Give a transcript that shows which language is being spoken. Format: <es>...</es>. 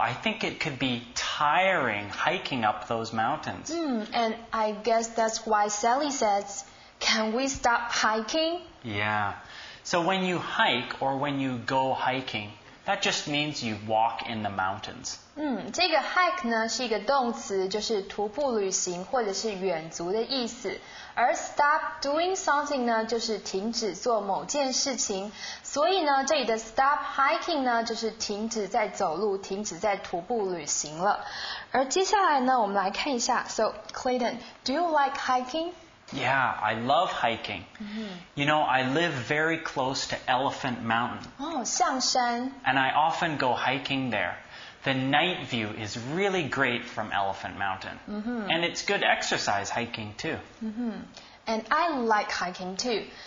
<en>I think it could be tiring hiking up those mountains. And I guess that's why Sally says, can we stop hiking? Yeah. So when you hike or when you go hiking, that just means you walk in the mountains.</en> <zh>这个 hike 呢是一个动词，就是徒步旅行或者是远足的意思。而 stop doing something 呢，就是停止做某件事情。所以呢，这里的 stop hiking 呢，就是停止在走路，停止在徒步旅行了。而接下来呢，我们来看一下。</zh> <en>So Clayton, do you like hiking? Yeah, I love hiking. You know, I live very close to Elephant Mountain. Oh, 象山。 And I often go hiking there. The night view is really great from Elephant Mountain. And it's good exercise hiking too. And I like hiking too.</en>